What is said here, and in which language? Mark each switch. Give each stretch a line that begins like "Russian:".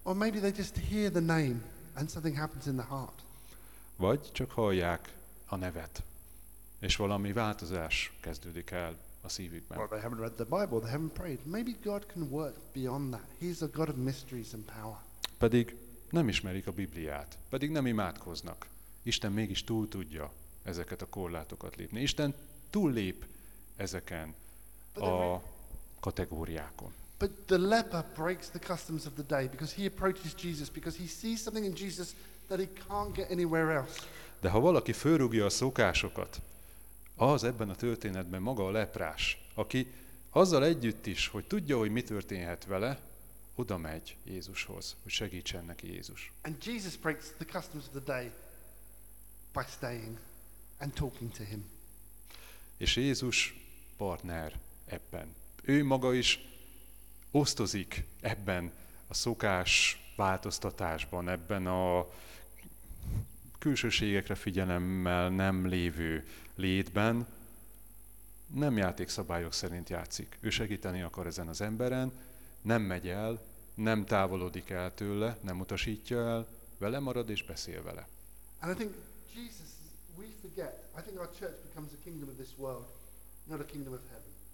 English: Or maybe they just hear the name and something happens in the heart.
Hungarian: Vagy csak hallják a nevet, és valami változás kezdődik el a szívükben.
English: Well, they haven't read the Bible, they haven't prayed. Maybe God can work beyond that. He's a God of mysteries and power.
Hungarian: Pedig nem ismerik a Bibliát, pedig nem imádkoznak. Isten mégis túl tudja ezeket a korlátokat lépni. Isten túllép ezeken a kategóriákon.
English: But the leper breaks the customs of the day because he approaches Jesus because he sees something in Jesus that he can't get anywhere else.
Hungarian: De ha valaki fölrúgja a szokásokat, az ebben a történetben maga a leprás, aki azzal együtt is, hogy tudja, hogy mi történhet vele, oda megy Jézushoz, hogy segítsen neki Jézus.
English: And Jesus breaks the customs of the day by staying and talking to him.
Hungarian: És Jézus partner ebben. Ő maga is osztozik ebben a szokás változtatásban, ebben a külsőségekre figyelemmel nem lévő létben, nem játékszabályok szerint játszik. Ő segíteni akar ezen az emberen, nem megy el, nem távolodik el tőle, nem utasítja el, vele marad és beszél vele.
English: And I think Jesus, we forget. I think our church becomes a kingdom of this world, not a kingdom of heaven.